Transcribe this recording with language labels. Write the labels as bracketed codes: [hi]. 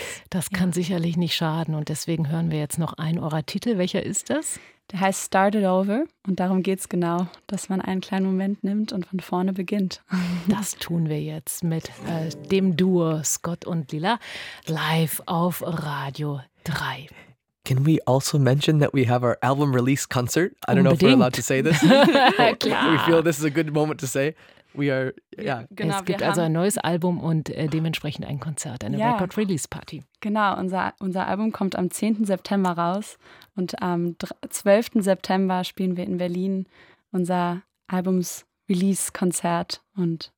[de] Das kann sicherlich nicht schaden und deswegen hören wir jetzt noch einen eurer Titel. Welcher ist das? Der heißt Start It Over und darum geht es genau, dass man einen kleinen Moment nimmt und von vorne beginnt. Das tun wir jetzt mit dem Duo Scott und Lila live auf Radio 3. [en] Can we also mention that we have our album release concert? I don't know if we're allowed to say this. [de] Klar. [en] We feel this is a good moment to say. We are, yeah. [de] Genau, es gibt also ein neues Album und dementsprechend ein Konzert, eine Record Release Party. Genau, unser Album kommt am 10. September raus und am 12. September spielen wir in Berlin unser Albums Release Konzert und